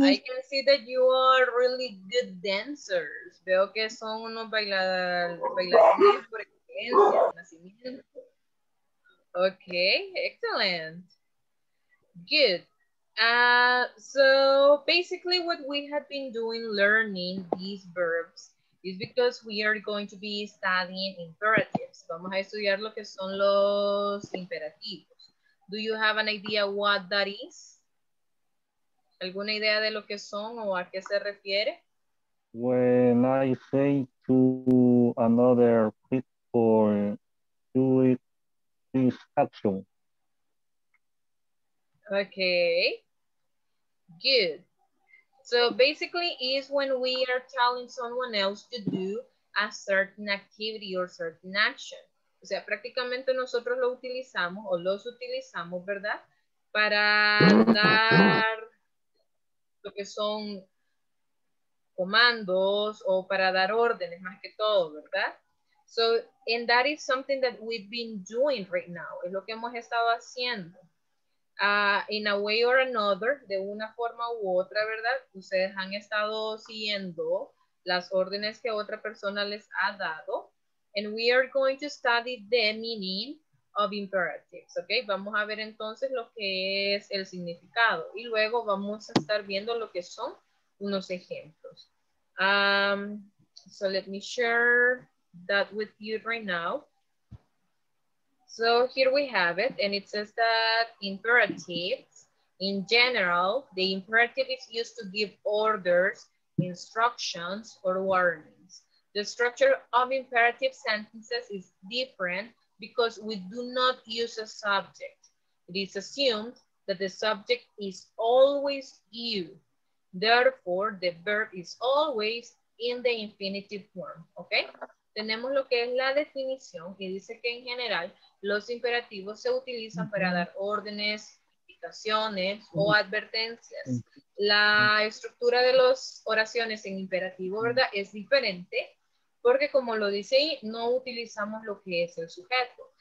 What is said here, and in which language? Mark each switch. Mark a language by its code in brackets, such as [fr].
[en] I can see that you are really good dancers. [es] Veo que son unos bailarines por excelencia, nacimiento. [en] Okay, excellent. Good. So basically what we have been doing learning these verbs is because we are going to be studying imperatives. [es] Vamos a estudiar lo que son los imperativos. [en] Do you have an idea what that is? [es] ¿Alguna idea de lo que son o a qué se refiere? [en] When I say to another people, do it this action. Okay. Good. So basically is when we are telling someone else to do a certain activity or certain action. [es] O sea, prácticamente nosotros lo utilizamos o los utilizamos, ¿verdad? Para dar lo que son comandos o para dar órdenes, más que todo, ¿verdad? [en] So, and that is something that we've been doing right now. [es] Es lo que hemos estado haciendo. [en] In a way or another, [es] de una forma u otra, ¿verdad? Ustedes han estado siguiendo las órdenes que otra persona les ha dado. [en] And we are going to study the meaning of imperatives, ¿ok? [es] Vamos a ver entonces lo que es el significado. Y luego vamos a estar viendo lo que son unos ejemplos. [en] So let me share that with you right now. So here we have it, and it says that imperatives, in general, the imperative is used to give orders, instructions, or warnings. The structure of imperative sentences is different because we do not use a subject. It is assumed that the subject is always you. Therefore, the verb is always in the infinitive form, okay? [es] Tenemos lo que es la definición, que dice que en general los imperativos se utilizan para dar órdenes, indicaciones o advertencias. La estructura de las oraciones en imperativo, ¿verdad?, es diferente porque, como lo dice ahí, no utilizamos lo que es el sujeto.